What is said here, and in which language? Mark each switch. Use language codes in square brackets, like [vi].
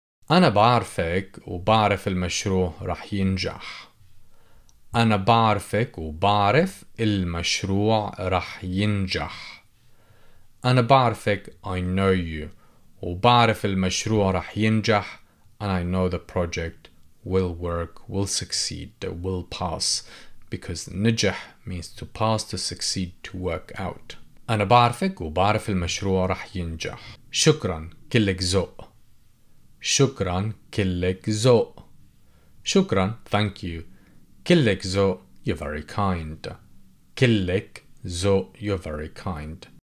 [ar] أنا بعرفك وبعرف المشروع رح ينجح. أنا بعرفك وبعرف المشروع رح ينجح. أنا بعرفك, [en] I know you, [ar] وبعرف المشروع رح ينجح. [en] And I know the project will work, will succeed, will pass. Because نجح means to pass, to succeed, to work out. [ar] أنا بعرفك وبعرف المشروع رح ينجح. شكراً كلك ذوق. شكراً كلك ذوق. شكراً, [en] thank you. [ar] كلك ذوق, [en] you're very kind. [ar] كلك ذوق, [en] you're very kind.